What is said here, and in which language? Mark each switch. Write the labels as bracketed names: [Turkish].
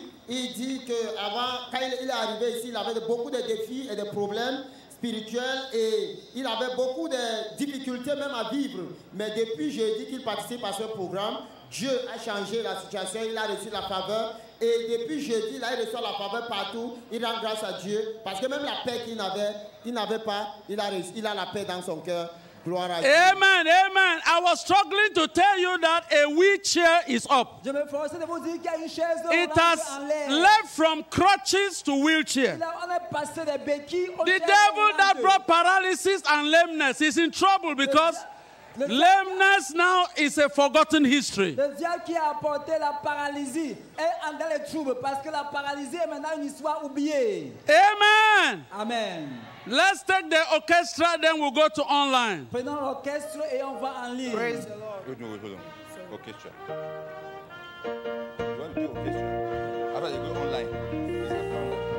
[French] Il dit que avant, quand il est arrivé ici, il avait beaucoup de défis et de problèmes spirituels et il avait beaucoup de difficultés même à vivre. Mais depuis jeudi qu'il participe à ce programme, Dieu a changé la situation, il a reçu la faveur. Et depuis jeudi, là, il reçoit la faveur partout, il rend grâce à Dieu. Parce que même la paix qu'il n'avait, il n'avait pas, il a la paix dans son cœur. Amen, amen. [English] I was struggling to tell you that a wheelchair is up. It has left from crutches to wheelchair. The devil that brought paralysis and lameness is in trouble because lameness now is a forgotten history. [French] Le diable qui a apporté la paralysie est en dans les troubles parce que la paralysie est maintenant une histoire oubliée. [English] Amen. Amen. Let's take the orchestra, then we'll go to online. [French] Prenons l'orchestre et on va en ligne. [English] Praise the Lord. Wait, hold on. Orchestra. You want to do orchestra? How about you go online?